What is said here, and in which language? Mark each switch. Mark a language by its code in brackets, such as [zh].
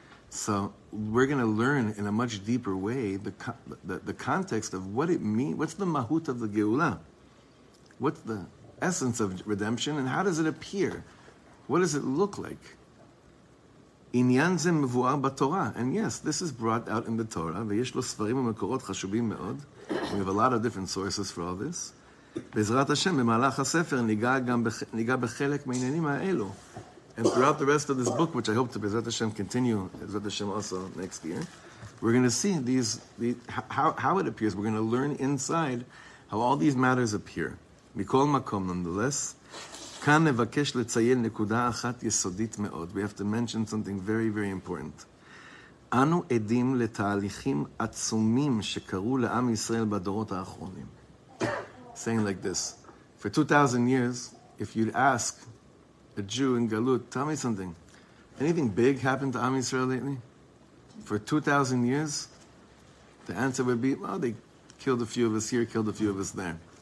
[en] So we're going to learn in a much deeper way the context of what it means, what's the mahut of the geula, what's the essence of redemption, and how does it appear? What does it look like? [he] Inyan zeh mevu'ar b'Torah. [en] And yes, this is brought out in the Torah. [he] Ve'yesh lo sfarim u'mekorot chashuvim me'od. [en] We have a lot of different sources for all this. [he] בעזרת השם, במהלך הספר, ניגע בחלק מעניינים האלו. [en] And throughout the rest of this book, which I hope to, בעזרת השם, continue, בעזרת השם also next year, we're going to see how it appears. We're going to learn inside how all these matters appear. [he] מכל מקום, nonetheless, כאן נבקש לציין נקודה אחת יסודית מאוד. [en] We have to mention something very, very important. [he] אנו עדים לתהליכים עצומים שקרו לעם ישראל בדורות האחרונים. [en] Saying like this, for 2,000 years, if you'd ask a Jew in Galut, tell me something, anything big happened to Am Yisrael lately? For 2,000 years, the answer would be, well, they killed a few of us here, killed a few of us there.